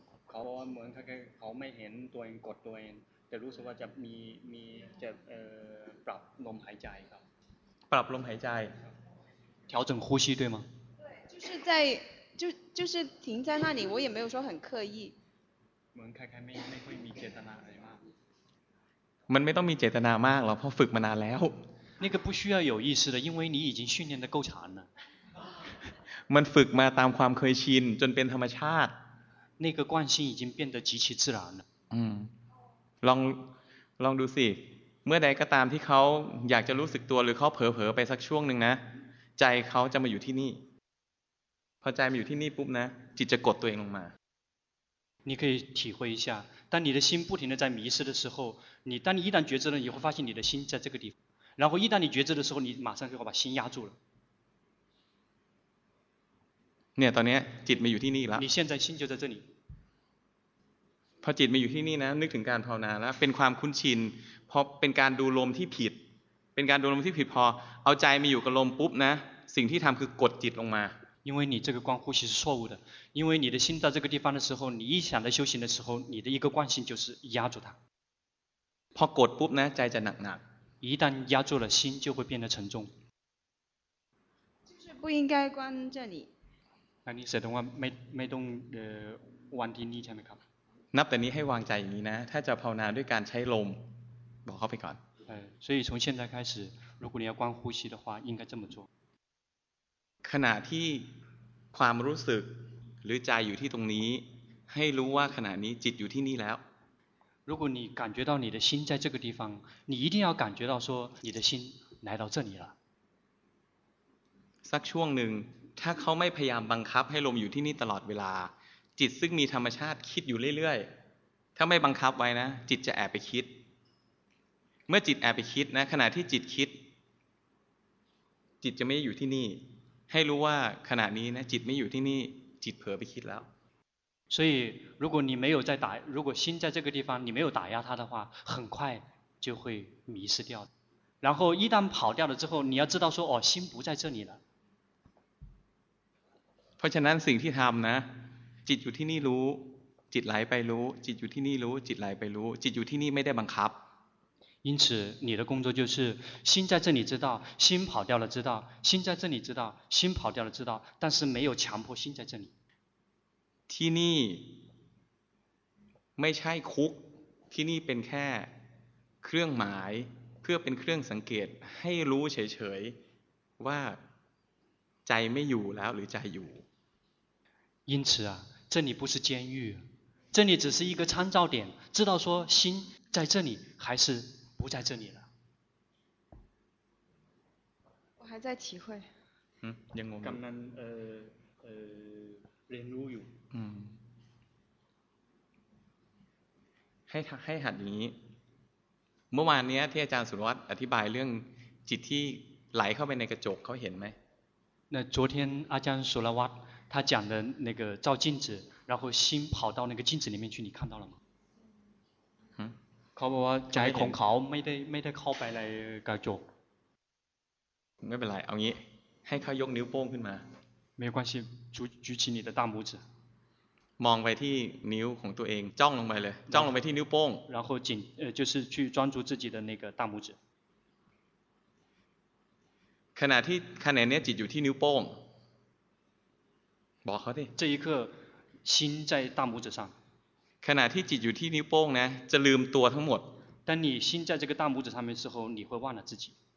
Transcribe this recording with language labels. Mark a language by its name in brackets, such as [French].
[Thai] เขาเหมือนเขาไม่เห็นตัวเองกดตัวเองแต่รู้สึกว่าจะมีจะปรับลมหายใจครับ ปรับลมหายใจ [Chinese] 调整呼吸对吗对就是在就是停在那里我也没有说很刻意 [Thai] เหมือนคล้ายๆไม่ค่อยมีเจตนาอะไรมาก มันไม่ต้องมีเจตนามากหรอกเพราะฝึกมานานแล้ว [Chinese] 那个不需要有意识的因为你已经训练得够长了 [Thai] มันฝึกมาตามความเคยชินจนเป็นธรรมชาติ [Chinese] 那个惯性已经变得极其自然了 [Thai] ลองดูสิเมื่อใดก็ตามที่เขาอยากจะรู้สึกตัวหรือเขาเผลอๆไปสักช่วงนึงนะใจเขาจะมาอยู่ที่นี่พอใจมาอยู่ที่นี่ปุ๊บนะจิตจะกดตัวเองลงมา [Chinese] 你可以体会一下当你的心不停地在迷失的时候你当你一旦觉知了你会发现你的心在这个地方然后一旦你觉知的时候你马上就会把心压住了 [Thai] เนี่ยตอนนี้จิตมาอยู่ที่นี่แล้ว [Chinese] 你现在心就在这里 [Thai] พอจิตมาอยู่ที่นี่นะนึกถึงการภาวนาแล้วเป็นความคุ้นชินพอเป็นการดูลมที่ผิดเป็นการดูลมที่ผิดพอเอาใจมาอยู่กับลมปุ๊บนะสิ่งที่ทำคือกดจิตลงมา [Chinese] 因为你这个观呼吸是错误的因为你的心到这个地方的时候你一想到修行的时候你的一个惯性就是压住它 [Thai] พอกดปุ๊บนะใจจะหนัก [Chinese] 一旦压住了心就会变得沉重就是不应该关这里 [Thai] อันนี้แสดงว่าไม่ต้องวันที่นี่ใช่ไหมครับ นับแต่นี้ให้วางใจอย่างนี้นะถ้าจะภาวนาด้วยการใช้ลมบอกเข้าไปก่อน [Chinese] เออ所以从现在开始如果你要观呼吸的话应该这么做 [Thai] ขณะที่ความรู้สึกหรือใจอยู่ที่ตรงนี้ให้รู้ว่าขณะนี้จิตอยู่ที่นี่แล้ว [Chinese] 如果你感觉到你的心在这个地方你一定要感觉到说你的心来到这里了 [Thai] สักช่วงหนึ่งถ้าเขาไม่พยายามบังคับให้ลมอยู่ที่นี่ตลอดเวลาจิตซึ่งมีธรรมชาติคิดอยู่เรื่อยๆถ้าไม่บังคับไว้นะจิตจะแอบไปคิดเมื่อจิตแอบไปคิดนะขณะที่จิตคิดจิตจะไม่อยู่ที่นี่ให้รู้ว่าขณะนี้นะจิตไม่อยู่ที่นี่จิตเผลอไปคิดแล้ว [Chinese] 所以如果你没有在打如果心在这个地方你没有打压它的话很快就会迷失掉然后一旦跑掉了之后你要知道说哦心不在这里了 [Thai] เพราะฉะนั้นสิ่งที่ทำนะจิตอยู่ที่นี่รู้จิตไหลไปรู้จิตอยู่ที่นี่รู้จิตไหลไปรู้จิตอยู่ที่นี่ไม่ได้บังคับ [Chinese] 因此你的工作就是心在这里知道心跑掉了知道心在这里知道心跑掉了知道但是没有强迫心在这里 [Thai] ที่นี่ไม่ใช่คุกที่นี่เป็นแค่เครื่องหมายเพื่อเป็นเครื่องสังเกตให้รู้เฉยๆว่าใจไม่อยู่แล้วหรือใจอยู่ [Chinese] 因此啊这里不是监狱这里只是一个参照点知道说心在这里还是不在这里了我还在体会 [Thai] ยังงง กำลังเรียนรู้อยู่ให้หัดอย่างนี้เมื่อวานนี้ที่อาจารย์สุรวัตรอธิบายเรื่องจิตที่ไหลเข้าไปในกระจกเขาเห็นไหม [Chinese] 那昨天阿江索拉瓦他讲的那个照镜子然后心跑到那个镜子里面去你看到了吗嗯 [Thai] เขาบอกว่าใจของเขาไม่ได้เข้าไปในกระจก ไม่เป็นไรเอางี้ให้เขายกนิ้วโป้งขึ้นมา [Chinese] 没有关系举起你的大拇指 [Thai] มองไปที่นิ้วของตัวเองจ้องลงไปเลยจ้องลงไปที่นิ้วโป้ง [Chinese] 然后紧就是去专注自己的那个大拇指 [Thai] ขณะที่ขณะนี้จิตอยู่ที่นิ้วโป้งบอกเขาดิ [Chinese] 这一刻心在大拇指上 [Thai] ขณะที่จิตอยู่ที่นิ้วโป้งนะจะลืมตัวทั้งหมด [Chinese] 当你心在这个大拇指上面的时候你会忘了自己